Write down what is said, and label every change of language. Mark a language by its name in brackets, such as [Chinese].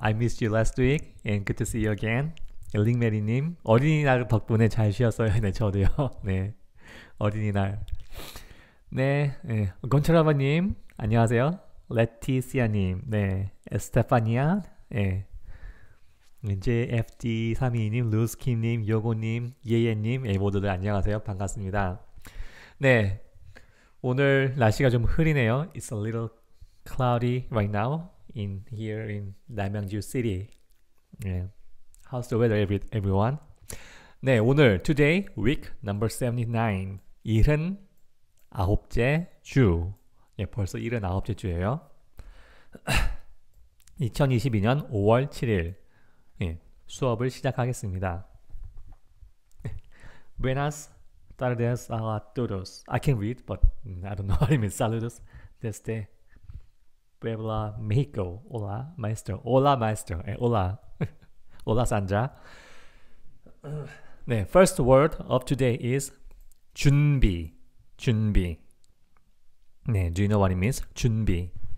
[English] I missed you last week and good to see you again. [Korean] 링메리님, 어린이날 덕분에 잘 쉬었어요. 네, 저도요. 네, 어린이날. 네, 건철아버님, 안녕하세요. 레티시아님, 네, 에스테파니아, 네. JFD32님, 루스킴님, 요고님, 예예님, 에이보드들 안녕하세요. 반갑습니다. 네. 오늘 날씨가 좀 흐리네요. [English] It's a little cloudy right now in here in Namyangju City. Yeah. How's the weather, everyone? [Korean] 네, 오늘 [English] today week number 79, [Korean] 일흔 아홉째 주. 예, 벌써 일흔 아홉째 주예요. 2022년 5월 7일 예, 수업을 시작하겠습니다. [Spanish] Buenas. Saludos a todos. [English] I can read, but I don't know what it means. [Spanish] Saludos desde Puebla, Mexico. Hola, maestro. Hola, maestro. Hola. Hola, Sandra. [English] 네, first word of today is 준비. 준비. 네, do you know what it means? 준비.